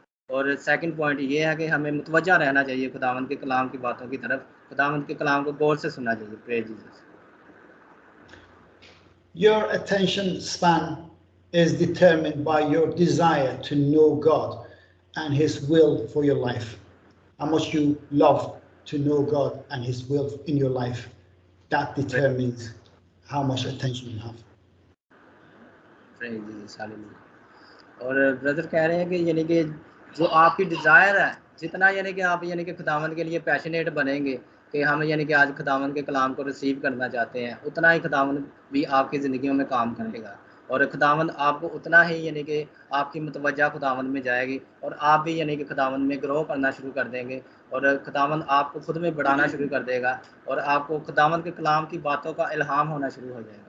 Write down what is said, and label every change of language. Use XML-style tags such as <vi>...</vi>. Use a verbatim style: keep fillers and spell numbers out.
<hi>और second point ये है कि हमें मुतवज्जा रहना चाहिए खुदावंद के कलाम की बातों की तरफ, खुदावंद के कलाम को गौर से सुनना चाहिए।</hi> <en>Praise Jesus. Your attention span is determined by your desire to know God and his will for your life. How much you love to know God and his will in your life, that determines how much attention you have. Praise Jesus. Hallelujah.</en> <hi>और brother कह रहे हैं कि यानी कि जो आपकी desire है, जितना यानी कि आप यानी कि खुदावंद के लिए पैशनेट बनेंगे कि हम यानी कि आज खुदावंद के कलाम को रिसीव करना चाहते हैं, उतना ही खुदावंद भी आपकी ज़िंदगियों में काम करेगा और खुदावंद आपको उतना ही यानी कि आपकी मुतवज्जा खुदावंद में जाएगी और आप भी यानी कि खुदावंद में ग्रो करना शुरू कर देंगे और खुदावंद आपको ख़ुद में बढ़ाना शुरू कर देगा और आपको खुदावंद के कलाम की बातों का इल्हाम होना शुरू हो</hi>